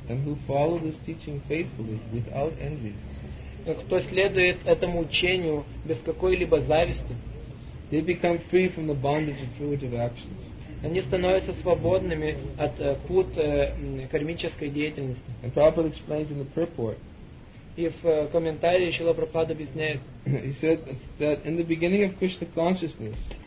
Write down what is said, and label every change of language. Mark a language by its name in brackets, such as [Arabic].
[English] And who follow this teaching faithfully without envy. [Russian] Кто следует этому учению без какой-либо зависти. [English] They become free from the bondage of fruitive actions. [Russian] Они становятся свободными от пут кармической деятельности. [English] And Prabhupada explains in the purport. [Russian] И в комментарии Шрила Прабхупада объясняет. [English] He said that in the beginning of Krishna consciousness.